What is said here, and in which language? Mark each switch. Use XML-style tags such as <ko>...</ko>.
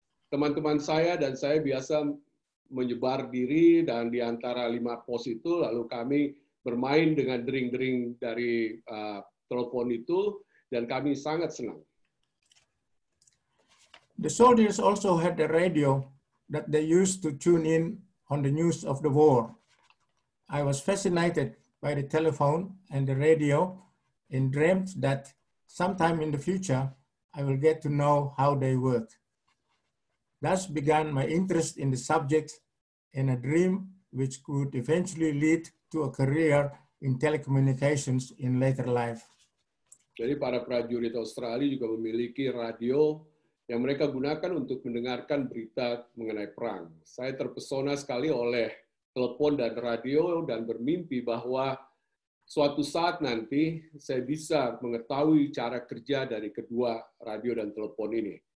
<id>Teman-teman saya dan saya biasa menyebar diri dan di antara 5 pos itu lalu kami bermain dengan dering-dering dari telepon itu, dan kami sangat senang.</id> <en>The soldiers also had a radio that they used to tune in on the news of the war. I was fascinated by the telephone and the radio and dreamt that sometime in the future, I will get to know how they work. Thus began my interest in the subject and a dream which could eventually lead to a career in telecommunications in later life.</en> <id>Jadi para prajurit Australia juga memiliki radio yang mereka gunakan untuk mendengarkan berita mengenai perang. Saya terpesona sekali oleh telepon dan radio dan bermimpi bahwa suatu saat nanti saya bisa mengetahui cara kerja dari kedua radio dan telepon ini.</id>